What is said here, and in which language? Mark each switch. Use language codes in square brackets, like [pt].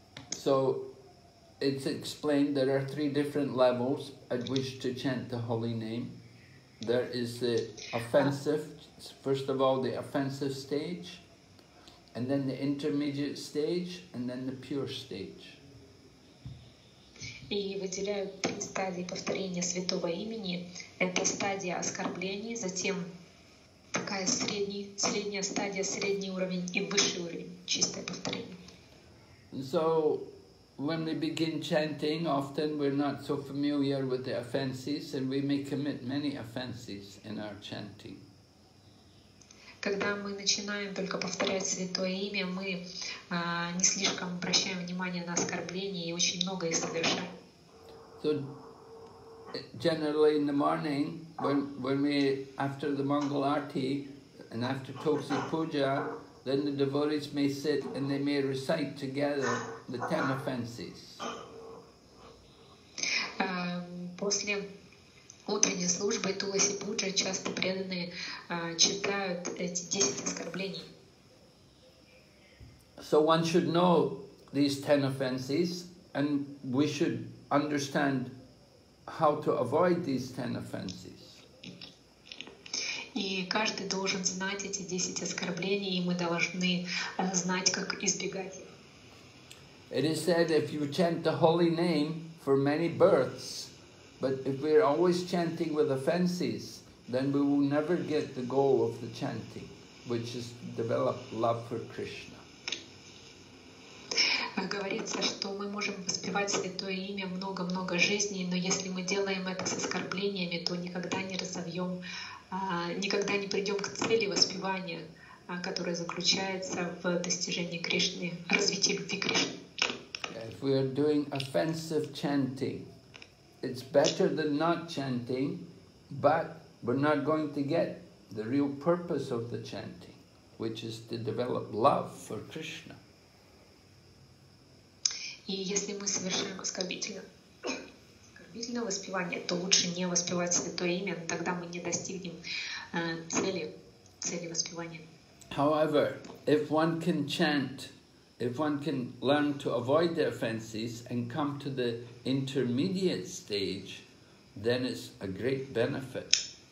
[en] So it's explained there are three different levels at which to chant the holy name. There is the offensive, first of all, the offensive stage, and then the intermediate stage, and then the pure stage. [ru] И выделяют три стадии повторения Святого Имени. Это стадия оскорблений, затем такая средняя стадия, средний уровень и высший уровень, чистое повторение. [en] So, when we begin chanting, often we're not so familiar with the offenses, and we may commit many offenses in our chanting. [ru] Когда мы начинаем только повторять Святое Имя, мы не слишком обращаем внимание на оскорбления и очень много их совершаем. [en] So, generally in the morning, when we, after the Mangal Arti and after Tulsi Puja, then the devotees may sit and they may recite together the 10 offenses. [ru] После утренней службы Тулси Пуджа часто преданные читают эти 10 оскорблений. [en] So one should know these 10 offenses, and we should understand how to avoid these 10 offenses. [ru] И каждый должен знать эти 10 оскорблений, и мы должны знать, как избегать. [en] It is said if you chant the holy name for many births, but if we are always chanting with offenses, then we will never get the goal of the chanting, which is develop love for Krishna. [ru] Говорится, что мы можем воспевать Святое Имя много-много жизней, но если мы делаем это с оскорблениями, то никогда не разовьем, никогда не придем к цели воспевания, которая заключается в достижении Кришны, развитии любви Кришны. [en] If we are doing offensive chanting, it's better than not chanting, but we're not going to get the real purpose of the chanting, which is to develop love for Krishna. [ru] И если мы совершаем оскорбительное воспевание, то лучше не воспевать Святое Имя, но тогда мы не достигнем цели воспевания. [en] However, if one can chant, if one can learn to avoid the offenses and come to the intermediate stage, then it's a great benefit.